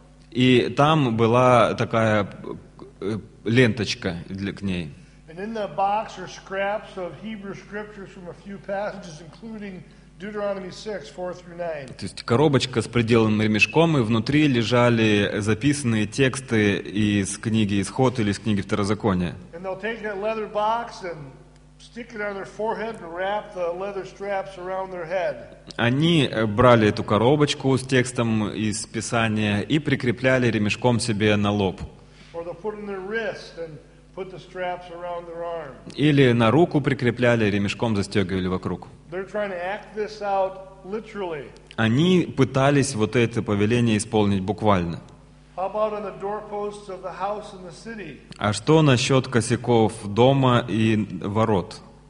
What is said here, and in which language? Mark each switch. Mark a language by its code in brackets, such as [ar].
[ru] И там была такая ленточка к ней. [en] And in the box are scraps of Hebrew scriptures from a few passages, including Deuteronomy 6, 4 through 9. [ru] То есть коробочка с приделанным ремешком, и внутри лежали записанные тексты из книги «Исход» или из книги «Второзакония». [en] And they'll take that leather box and stick it on their forehead and wrap the leather straps around their head. [ru] Они брали эту коробочку с текстом из Писания и прикрепляли ремешком себе на лоб. [en] Or they'll put it on their wrist and put the straps around their arm. [ru] Или на руку прикрепляли, ремешком застегивали вокруг. [en] They're trying to act this out literally. [ru] они пытались вот это повеление исполнить буквально. А что насчет косяков дома и ворот?